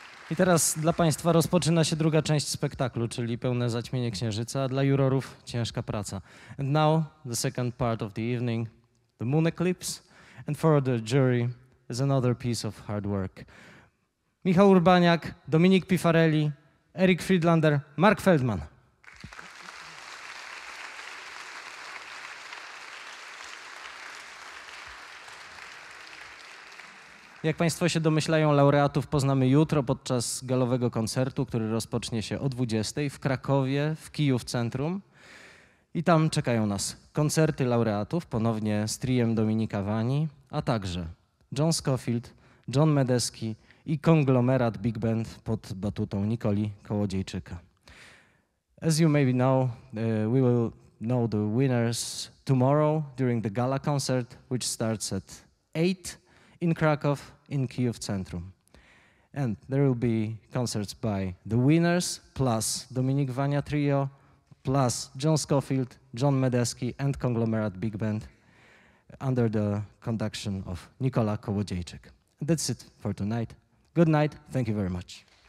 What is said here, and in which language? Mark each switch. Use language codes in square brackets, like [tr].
[pl] I teraz dla Państwa rozpoczyna się druga część spektaklu, czyli pełne zaćmienie księżyca, a dla jurorów ciężka praca. [en] And now, the second part of the evening, the moon eclipse, and for the jury is another piece of hard work. Michał Urbaniak, Dominik Pifarelli, Erik Friedlander, Mark Feldman. [pl] Jak Państwo się domyślają, laureatów poznamy jutro podczas galowego koncertu, który rozpocznie się o 20 w Krakowie, w Kijów Centrum. I tam czekają nas koncerty laureatów, ponownie z triem Dominika Wani, a także John Scofield, John Medeski i konglomerat Big Band pod batutą Nicoli Kołodziejczyka. [en] As you maybe know, we will know the winners tomorrow during the gala concert, which starts at 8. In Krakow, in Kyiv Centrum. And there will be concerts by the winners, plus Dominik Wania Trio, plus John Scofield, John Medeski and Conglomerate Big Band under the conduction of Nicola Kołodziejczyk. That's it for tonight. Good night. Thank you very much.